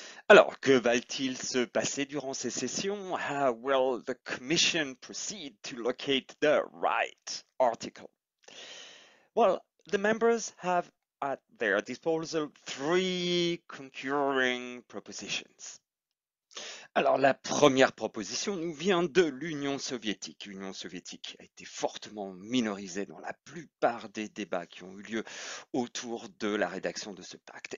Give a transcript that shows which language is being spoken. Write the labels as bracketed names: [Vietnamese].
[French] Alors, que va-t-il se passer durant ces sessions? [English] How will the Commission proceed to locate the right article? Well, the members have at their disposal three concurring propositions. [French] Alors, la première proposition nous vient de l'Union soviétique. L'Union soviétique a été fortement minorisée dans la plupart des débats qui ont eu lieu autour de la rédaction de ce pacte.